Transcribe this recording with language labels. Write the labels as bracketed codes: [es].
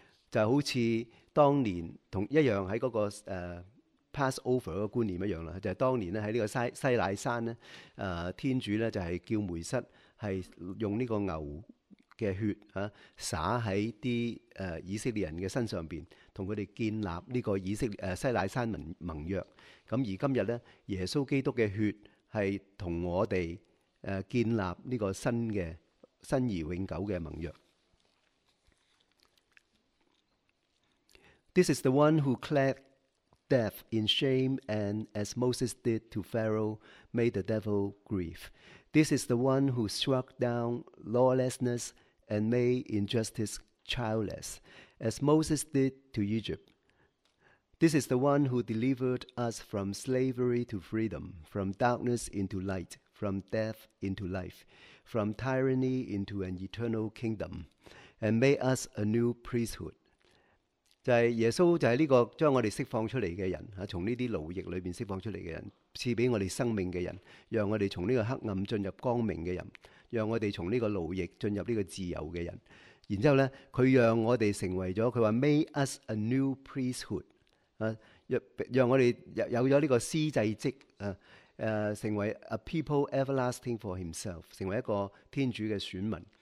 [zh] 就好像当年同一样在那个Passover 的观念一样，就是当年在这个西乃山天主就是叫梅瑟是用这个牛的血洒在以色列人的身上，跟他们建立这个西乃山盟约。而今天耶稣基督的血是跟我们建立这个新而永久的盟约。 [en] This is the one who cleared death in shame and, as Moses did to Pharaoh, made the devil grieve. This is the one who struck down lawlessness and made injustice childless, as Moses did to Egypt. This is the one who delivered us from slavery to freedom, from darkness into light, from death into life, from tyranny into an eternal kingdom, and made us a new priesthood. [zh] 就是耶稣就是这个将我们释放出来的人，从这些奴役里面释放出来的人，赐给我们生命的人，让我们从这个黑暗进入光明的人，让我们从这个奴役进入这个自由的人。然后呢，他让我们成为了，他说 [en] Made us a new priesthood， [zh] 让我们有了这个司祭职，成为 [en] a people everlasting for himself， [zh] 成为一个天主的选民。